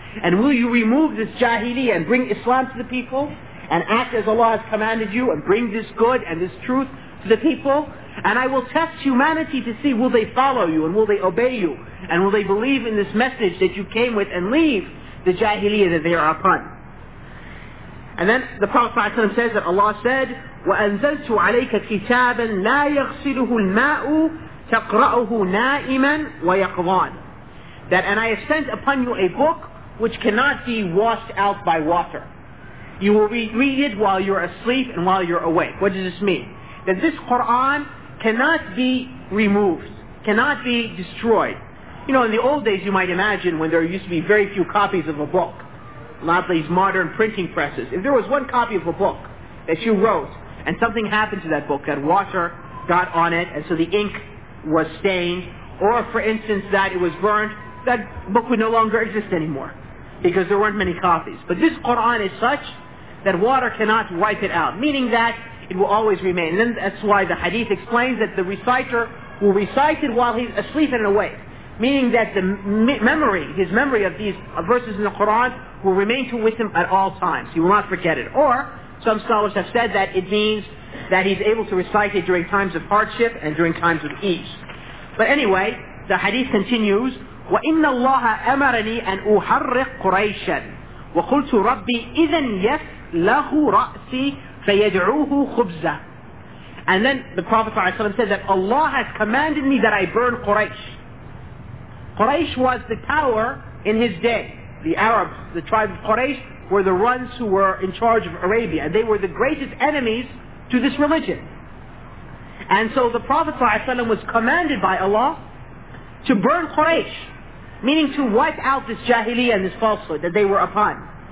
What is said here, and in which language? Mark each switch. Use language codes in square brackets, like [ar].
[en] And will you remove this jahiliyyah and bring Islam to the people? And act as Allah has commanded you and bring this good and this truth to the people? And I will test humanity to see will they follow you and will they obey you and will they believe in this message that you came with and leave the jahiliyyah that they are upon. And then the Prophet ﷺ says that Allah said, [ar] وَأَنزَلْتُ عَلَيْكَ كِتَابًا لَا يَغْسِلُهُ الْمَاءُ تَقْرَأُهُ نَائِمًا وَيَقْضَانُ. [en] That, and I have sent upon you a book which cannot be washed out by water. You will read it while you're asleep and while you're awake. What does this mean? That this Quran cannot be removed, cannot be destroyed. You know, in the old days you might imagine when there used to be very few copies of a book, not these modern printing presses. If there was one copy of a book that you wrote and something happened to that book, that water got on it and so the ink was stained, or for instance that it was burned, that book would no longer exist anymore because there weren't many copies. But this Quran is such that water cannot wipe it out, meaning that it will always remain. And then that's why the hadith explains that the reciter will recite it while he's asleep and awake, meaning that the memory, his memory of these verses in the Quran will remain to with him at all times. He will not forget it. Or, some scholars have said that it means that he's able to recite it during times of hardship and during times of ease. But anyway, the hadith continues, [ar] وَإِنَّ اللَّهَ أَمَرَنِي أَنْ أُحَرِّقْ قُرَيْشًا وَقُلْتُ رَبِّي إِذَنْ يَفْ لَهُ رَأْسِي فَيَدْعُوهُ خُبْزًا. [en] And then the Prophet ﷺ said that Allah has commanded me that I burn Quraysh. Quraysh was the power in his day. The Arabs, the tribe of Quraysh, were the ones who were in charge of Arabia. And they were the greatest enemies to this religion. And so the Prophet ﷺ was commanded by Allah to burn Quraysh, meaning to wipe out this jahiliyyah and this falsehood that they were upon.